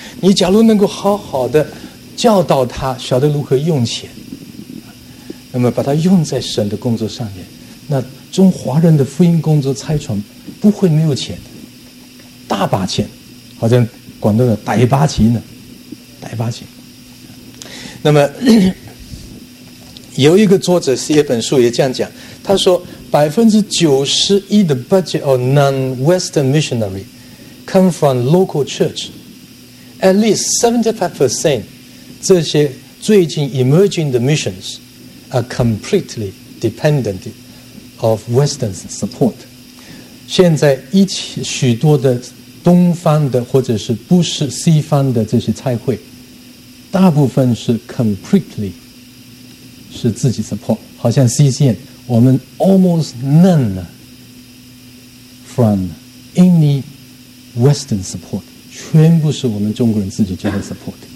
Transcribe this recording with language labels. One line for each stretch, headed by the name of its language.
Chinese: 你假如能够好好的教导他，晓得如何用钱，那么把它用在神的工作上面，那中华人的福音工作差传不会没有钱的，大把钱，好像广东的逮八旗呢，逮八旗。那么有一个作者写一本书也这样讲，他说91%的
English: budget of non-Western missionary come from local church. At least 75%
Chinese: 这些最近
English: emerging
Chinese: 的
English: missions are completely dependent of Western support.
Chinese: 现在一起许多的东方的或者是不是西方的这些差会，大部分是 completely 是自己 support， 好像 CCN 我们
English: almost none from any Western support，
Chinese: 全部是我们中国人自己就会 support。